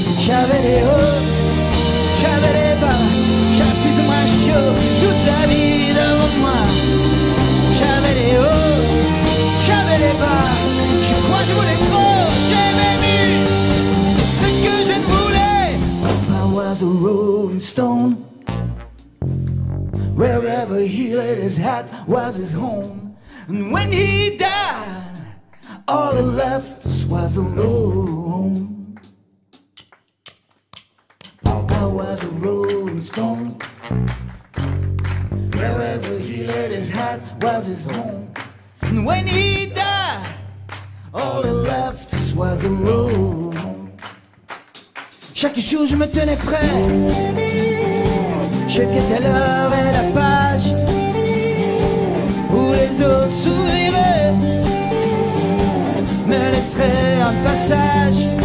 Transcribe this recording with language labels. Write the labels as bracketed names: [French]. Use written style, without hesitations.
[French] J'avais des hauts, j'avais des bas, chaque plus ou moins chaud, toute la vie devant moi. J'avais des hauts, j'avais des bas, je crois que je voulais trop, j'aimais mieux ce que je ne voulais. [English] I was a rolling stone, wherever he laid his hat was his home. And when he died, all that left us was alone. I was a rolling stone, wherever he laid his hat was his home. And when he died, all that left was a room. [French] Chaque jour je me tenais prêt, je quittais l'heure et la page où les autres souriraient, me laisseraient un passage.